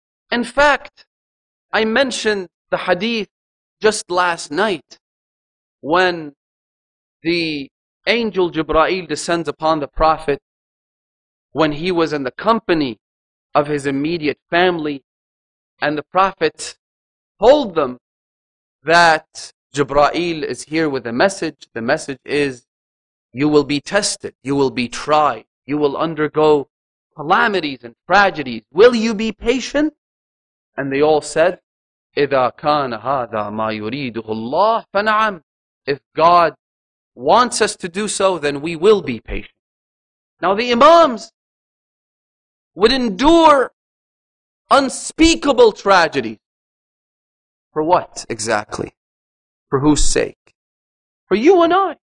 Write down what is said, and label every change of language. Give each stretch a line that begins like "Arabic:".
English: In fact, I mentioned the hadith just last night, when the angel Jibra'il descends upon the Prophet when he was in the company of his immediate family, and the Prophet told them that Jibra'il is here with a message. The message is, you will be tested, you will be tried, you will undergo calamities and tragedies. Will you be patient? And they all said,
Arabic: إذا كان هذا ما يريده الله فنعم.
English: If God wants us to do so, then we will be patient. Now the Imams would endure unspeakable tragedy. For what exactly? For whose sake? For you and I.